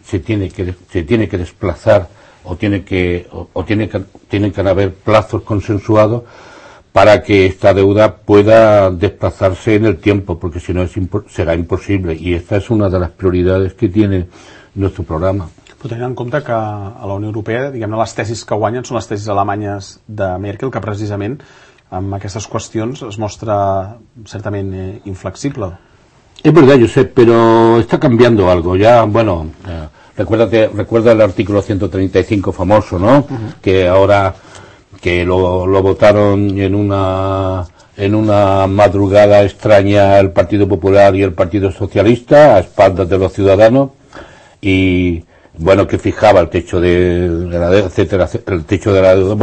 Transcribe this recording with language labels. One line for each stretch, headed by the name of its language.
Spanish: Se tiene que desplazar o tienen que haber plazos consensuados para que esta deuda pueda desplazarse en el tiempo, porque si no será imposible, y esta es una de las prioridades que tiene nuestro programa.
Catalan: Però tenint en compte que a la Unió Europea, diguem-ne, les tesis que guanyen són les tesis alemanyes de Merkel, que precisament amb aquestes qüestions es mostra certament inflexible.
Spanish: Es verdad, Josep, pero está cambiando algo. Ya, bueno, recuerda el artículo 135 famoso, ¿no? Uh-huh. Que ahora que lo votaron en una madrugada extraña el Partido Popular y el Partido Socialista a espaldas de los ciudadanos, y bueno, que fijaba el techo de la deuda, etcétera, el techo de la deuda.